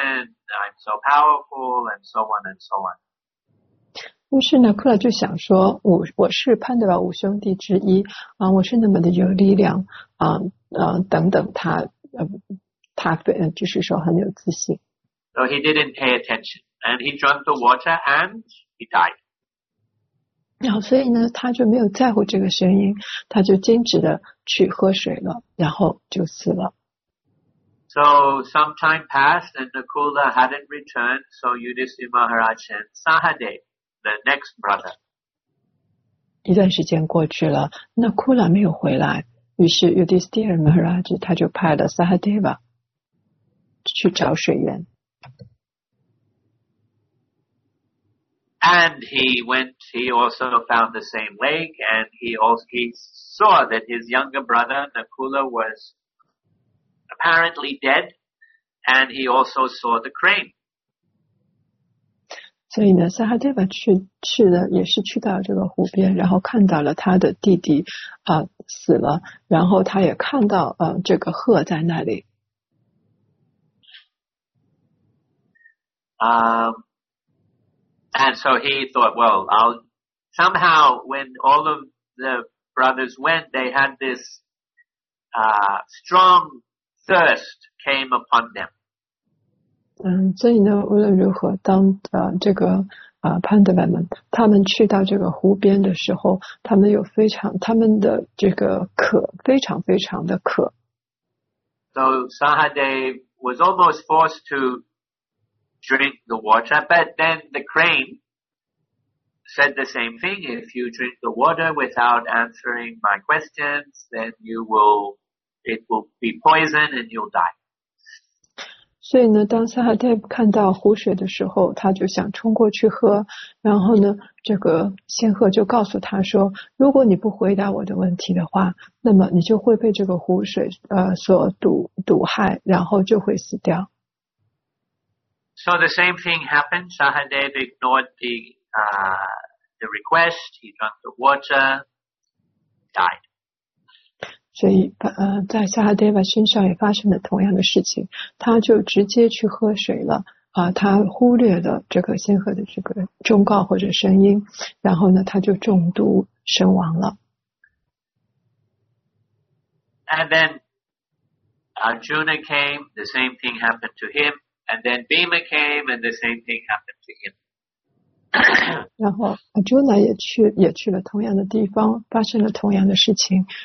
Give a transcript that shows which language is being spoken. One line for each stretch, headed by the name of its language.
English: I'm so powerful, and so on and so on."
Chinese: 于是呢，库拉就想说，我是潘德瓦五兄弟之一啊，我是那么的有力量啊，等等他就是说很有自信。
English: So he didn't pay attention, and he drank the water, and he died.
Chinese: 然后，所以呢，他就没有在乎这个声音，他就径直的去喝水了，然后就死了。
English: So some time passed, and Nakula hadn't returned. So Yudhishthira Maharaj and Sahadev. The next brother.
Chinese: 一段时间过去了，那库拉没有回来，于是 Yudhishthira Maharaj 他就派了 Sahadeva 去找水源。
English: And he went, he also found the same lake, and he saw that his younger brother Nakula was apparently dead, and he also saw the crane.
Chinese: 所以呢，萨哈德巴去的也是去到这个湖边，然后看到了他的弟弟死了，然后他也看到这个鹤在那里。
English: And so he thought, well, I'll somehow when all of the brothers went, they had this strong thirst came upon them.
Chinese: 所以呢，无论如何，当这个潘德瓦们他们去到这个湖边的时候，他们有非常他们的这个渴，非常非常的渴。
English: So Sahadev was almost forced to drink the water, but then the crane said the same thing: if you drink the water without answering my questions, then it will be poison and you'll die.
Chinese: 所以呢，当萨哈戴看到湖水的时候，他就想冲过去喝。然后呢，这个仙鹤就告诉他说：“如果你不回答我的问题的话，那么你就会被这个湖水所毒害，然后就会死掉。”
English: So the same thing happened. Sahadev ignored the request. He drank the water, died.
Chinese: 所以在 Sahadeva 身上也发生了同样的事情，他就直接去喝水了。他忽略了这个仙鹤的这个忠告或者声音，然后呢，他就中毒身亡了。
English: And then Arjuna came, the same thing happened to him, and then Bhima came, and the same thing happened to him.
Chinese: 然后 Arjuna 也去了同样的地方，发生了同样的事情。